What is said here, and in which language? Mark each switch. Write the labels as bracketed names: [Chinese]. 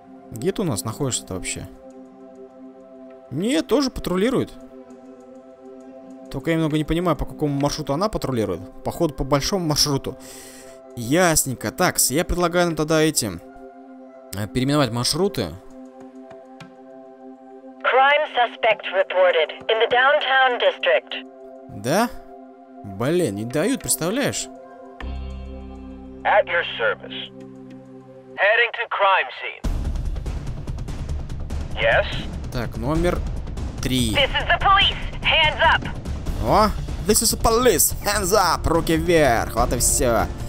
[Russian] Где ты у нас находишься-то вообще? Нет, тоже патрулирует. Только я немного не понимаю, по какому маршруту она патрулирует. Походу, по большому маршруту. Ясненько. Так, я предлагаю нам тогда эти... переименовать маршруты. [English] Crime suspect reported in the downtown district. [Russian] Да? Блин, не дают, представляешь? [English] At your service. Heading to crime scene. Yes? [Russian] Так, номер... три. [English] This is the police. Hands up. [Russian] О, [English] this is the police. [Russian] Руки вверх. Вот и все.